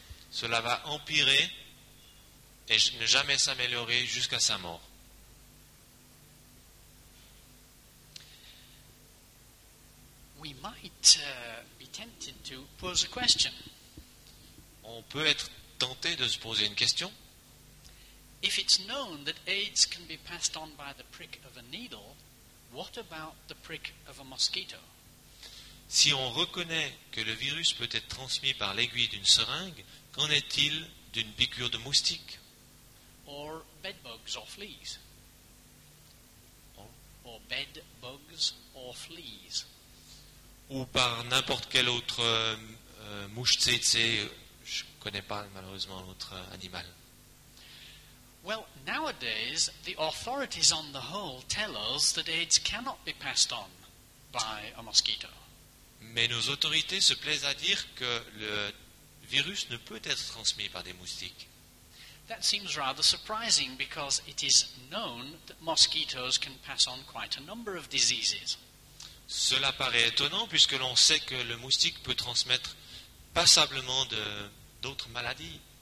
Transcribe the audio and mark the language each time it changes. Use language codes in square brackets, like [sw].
[fr] Cela va empirer et ne jamais s'améliorer jusqu'à sa mort. [en] We might be tempted to pose a question. [fr] On peut être tenté de se poser une question. [en] If it's known that AIDS can be passed on by the prick of a needle, what about the prick of a mosquito? [fr] Si on reconnaît que le virus peut être transmis par l'aiguille d'une seringue, qu'en est-il d'une piqûre de moustique? [en] Or bed bugs or fleas. Or bed bugs or fleas. [fr] Ou par n'importe quel autre mouche tsetse, je ne connais pas malheureusement l'autre animal. [en] Well, nowadays, the authorities on the whole tell us that AIDS cannot be passed on by a mosquito. [fr] Mais nos autorités se plaisent à dire que le virus ne peut être transmis par des moustiques. [en] That seems rather surprising because it is known that mosquitoes can pass on quite a number of diseases. [fr] Cela paraît étonnant puisque l'on sait que le moustique peut transmettre passablement d'autres maladies.